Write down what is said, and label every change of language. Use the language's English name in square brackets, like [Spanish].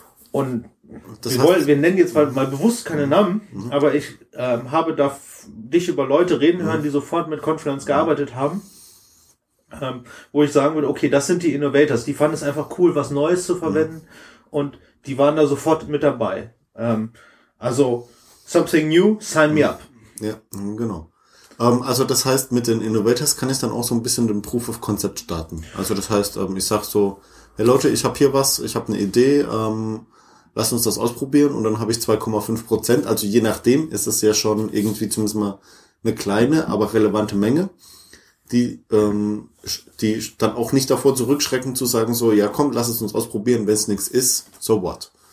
[German] Und wir nennen jetzt mal bewusst keine Namen, aber ich habe da dich über Leute reden hören, die sofort mit Confluence gearbeitet haben, wo ich sagen würde, okay, das sind die Innovators, die fanden es einfach cool, was Neues zu verwenden und die waren da sofort mit dabei. Also [English] something new, sign me up. [German] Ja, genau. Also das heißt, mit den Innovators kann ich dann auch so ein bisschen den Proof of Concept starten. Also das heißt, ich sag so, hey Leute, ich habe hier was, ich habe eine Idee, lass uns das ausprobieren und dann habe ich 2,5%. Also je nachdem ist es ja schon irgendwie zumindest mal eine kleine, aber relevante Menge, die dann auch nicht davor zurückschrecken zu sagen so, ja komm, lass es uns ausprobieren, wenn es nichts ist, [English] so what?